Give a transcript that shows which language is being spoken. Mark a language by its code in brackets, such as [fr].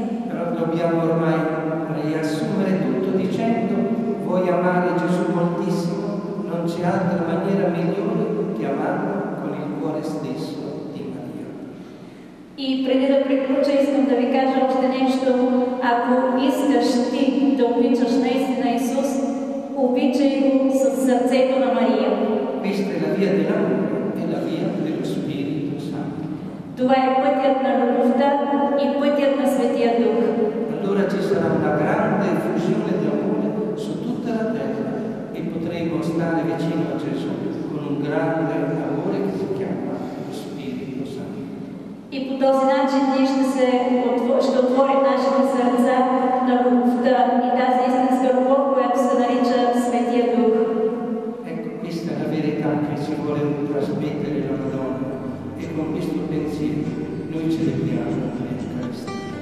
[it] Però dobbiamo ormai riassumere tutto dicendo: vuoi amare Gesù moltissimo, non c'è altra maniera migliore che amarlo con il cuore stesso di Maria. [bg] И преди да приключа, искам да ви кажа още нещо. Ако искаш ти да обичаш наистина Исус, обичай го със сърцето на Мария. [it] Questa è la via dell'amore e la via dello Spirito Santo. [bg] Това е пътят на любовта и пътят на Светия Дух. [it] Allora ci sarà una grande effusione di amore su tutta la terra e potremo stare vicino a Gesù con un grande amore che si chiama lo Spirito Santo. [bg] И по този начин ние ще отворим нашите сърца на любовта и тази истинска любов, която се нарича Светия Дух. [it] Ecco, questa è la verità che si vuole trasmettere la Madonna e con questo pensiero noi celebriamo l'Eucaristia.